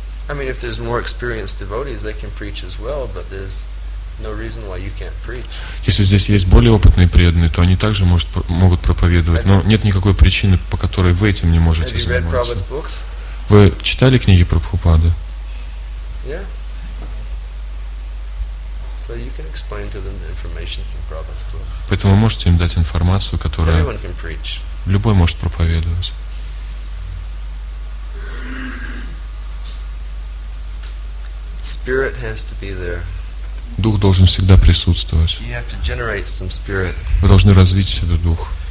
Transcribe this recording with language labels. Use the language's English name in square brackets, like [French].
[English] I mean, if there's more experienced devotees, they can preach as well, but there's no reason why you can't preach. [Russian] Если здесь есть более опытные преданные, то они также могут проповедовать. Но нет никакой причины, по которой вы этим не можете заниматься. Вы читали книги Прабхупады? [English] Yeah. So you can explain to them the information in Prabhupada's books. [Russian] Поэтому можете им дать информацию, которая... [English] Everyone can preach. [Russian] Любой может проповедовать. [English] Spirit has to be there. [Russian] Дух должен всегда присутствовать. Вы должны развить в себе дух.